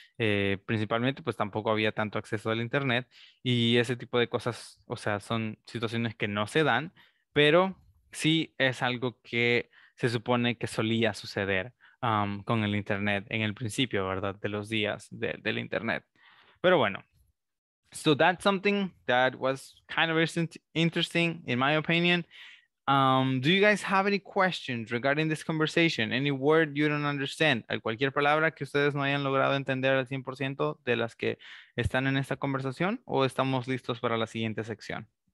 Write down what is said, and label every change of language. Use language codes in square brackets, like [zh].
[es] Principalmente pues tampoco había tanto acceso al internet, y ese tipo de cosas, o sea, son situaciones que no se dan, pero sí es algo que se supone que solía suceder con el internet en el principio, ¿verdad? De los días del internet. Pero bueno, [en] so that's something that was kind of interesting in my opinion. Do you guys have any questions regarding this conversation? Any word you don't understand? [es] Cualquier palabra que ustedes no hayan logrado entender al 100% de las que están en esta conversación, o estamos listos para la siguiente sección?